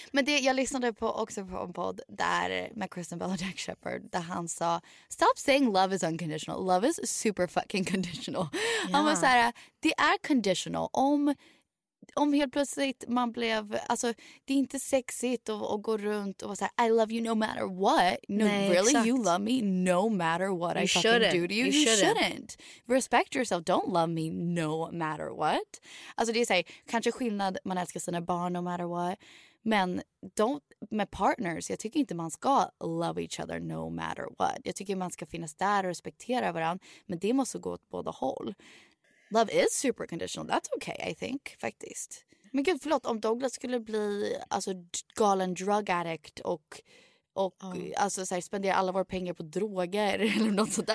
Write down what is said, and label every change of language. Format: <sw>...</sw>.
<sv>Men det jag lyssnade på också på en podd där med Kristen Bell och Jack Shepherd, där han sa,</sv> <en>stop saying love is unconditional. Love is super fucking conditional.</en> <sv>Han var såhär, det är conditional. Om helt plötsligt man blev, alltså det är inte sexigt att gå runt och vara såhär,</sv> <en>I love you no matter what. No, nej, really, exakt. You love me no matter what you I fucking shouldn't. Do to you. You shouldn't. Respect yourself, don't love me no matter what.</en> <sv>Alltså det är såhär, kanske skillnad, man älskar sina barn no matter what. Men don't, med partners, jag tycker inte man ska love each other no matter what. Jag tycker man ska finnas där och respektera varandra, men det måste gå åt båda håll.</sv> <en>Love is super conditional. That's okay, I think,</en> <sv>faktiskt. Men gud, förlåt, om Douglas skulle bli alltså galen drug addict och alltså så här, spendera alla våra pengar på droger eller något sånt där.</sv>